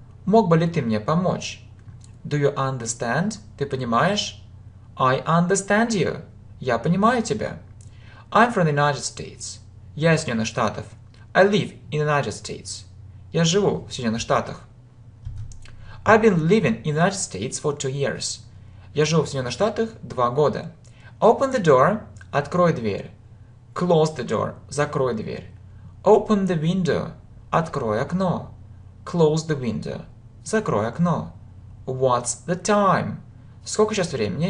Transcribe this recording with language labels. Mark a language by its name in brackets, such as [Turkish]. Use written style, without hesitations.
[Russian] Мог бы ли ты мне помочь? [English] Do you understand? [Russian] Ты понимаешь? [English] I understand you. [Russian] Я понимаю тебя. [English] I'm from the United States. [Russian] Я из Соединенных Штатов. [English] I live in the United States. [Russian] Я живу в Соединенных Штатах. [English] I've been living in the United States for 2 years. [Russian] Я живу в Соединенных Штатах 2 года. [English] Open the door. [Russian] Открой дверь. [English] Close the door. [Russian] Закрой дверь. [English] Open the window. [Russian] Открой окно. [English] Close the window. [Russian] Закрой окно. [English] What's the time? [Russian] Сколько сейчас времени?